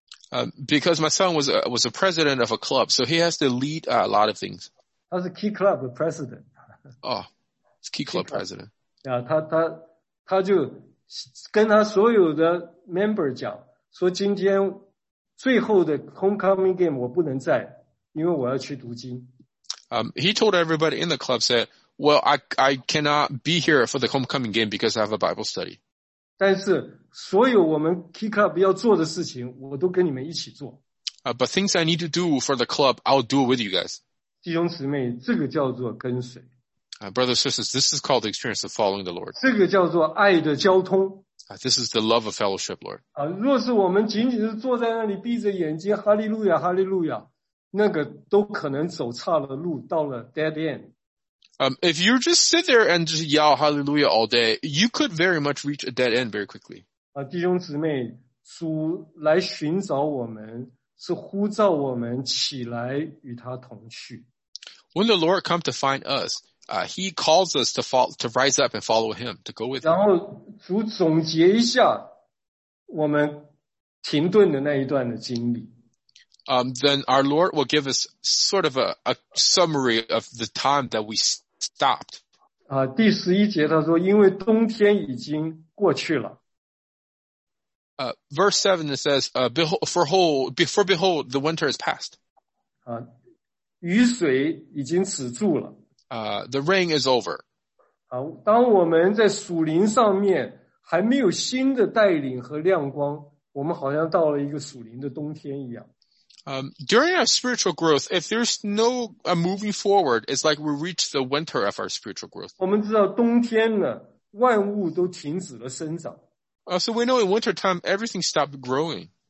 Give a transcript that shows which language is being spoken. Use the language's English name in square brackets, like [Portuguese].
[English] Because my son was a president of a club, so he has to lead a lot of things. [Chinese] 他是 key club president. [English] Oh, it's key club president. [Chinese] 他就跟他所有的 member 讲，说今天最后的 homecoming game 我不能在，因为我要去读经。 [English] He told everybody in the club, said, well, I cannot be here for the homecoming game because I have a Bible study. [Chinese] 但是所有我们 Key Club 要做的事情我都跟你们一起做。 [English] But things I need to do for the club, I'll do it with you guys. [Chinese] 弟兄姊妹，这个叫做跟随。 [English] Brothers and sisters, this is called the experience of following the Lord. [Chinese] 这个叫做爱的交通。 [English] This is the love of fellowship, Lord. [Chinese] 若是我们仅仅是坐在那里闭着眼睛，哈利路亚，哈利路亚，那个都可能走差了路，到了 dead end。 [English] If you just sit there and just yell hallelujah all day, you could very much reach a dead end very quickly. [Chinese] 弟兄姊妹，主来寻找我们，是呼召我们起来与他同去。 [English] When the Lord comes to find us, he calls us to rise up and follow him, to go with him. [Chinese] 然后主总结一下我们停顿的那一段的经历。 [English] Then our Lord will give us sort of a summary of the time that we stopped. [Chinese] 第十一节他说因为冬天已经过去了。 [English] Verse 7 it says, behold, the winter is past. [Chinese] 雨水已经止住了。 [English] The rain is over. [Chinese] 当我们在属灵上面还没有新的带领和亮光，我们好像到了一个属灵的冬天一样。 [English] During our spiritual growth, if there's no moving forward, it's like we reach the winter of our spiritual growth. [Chinese] 我们知道冬天呢，万物都停止了生长。 [English] So we know in winter time, everything stopped growing.